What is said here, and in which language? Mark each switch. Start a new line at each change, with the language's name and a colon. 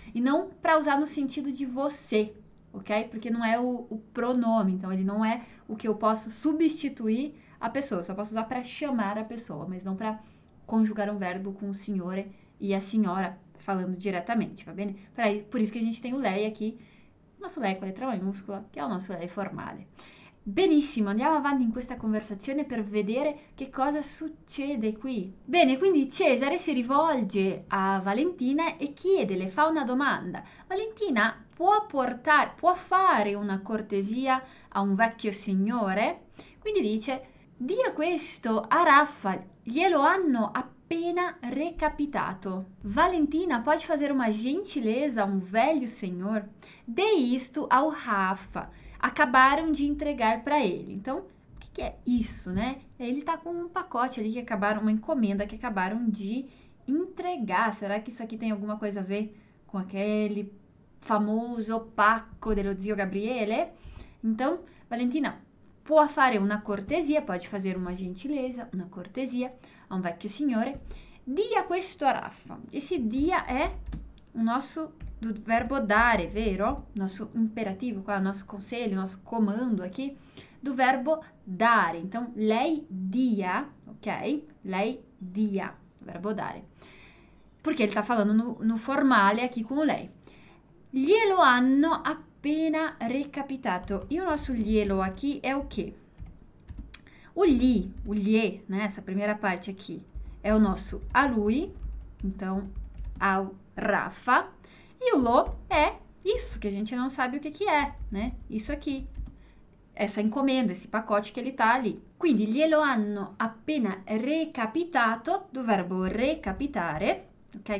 Portuguese: E não para usar no sentido de você, ok? Porque não é o pronome, então ele não é o que eu posso substituir a pessoa. Eu só posso usar para chamar a pessoa, mas não para conjugar um verbo com o signore e a senhora, falando diretamente, va bene? Por isso que a gente tem o lei aqui, nosso lei com letra maiúscula, que é o nosso lei formale.
Italian: Benissimo, andiamo avanti in questa conversazione per vedere che cosa succede qui. Bene, quindi Cesare si rivolge a Valentina e chiede, le fa una domanda. Valentina può fare una cortesia a un vecchio signore? Quindi dice, dia questo a Raffa, glielo hanno appena recapitato.
Portuguese: Valentina, pode fazer uma gentileza a um velho senhor? Dê isto ao Raffa. Acabaram de entregar para ele. Então, o que é isso, né? Ele tá com um pacote ali que acabaram, uma encomenda que acabaram de entregar. Será que isso aqui tem alguma coisa a ver com aquele famoso
Italian: pacco dello zio Gabriele?
Portuguese: Então, Valentina,
Italian: può fare una cortesia,
Portuguese: pode fazer uma gentileza, uma cortesia a um
Italian: vecchio signore. Dia questo a Raffa.
Portuguese: Esse dia é o nosso do verbo dare, vero? Nosso imperativo, qual é o nosso conselho, nosso comando aqui, do verbo dare. Então, lei dia, ok? Lei dia, verbo dare. Porque ele tá falando no formale aqui com lei.
Italian: Glielo hanno appena recapitato.
Portuguese: E o nosso glielo aqui é o quê? O lhe, né? Essa primeira parte aqui é o nosso a lui, então ao Raffa. E o lo é isso, que a gente não sabe o que é, né? Isso aqui, essa encomenda, esse pacote que ele tá ali.
Italian: Quindi, glielo hanno appena recapitato,
Portuguese: do verbo recapitare, ok?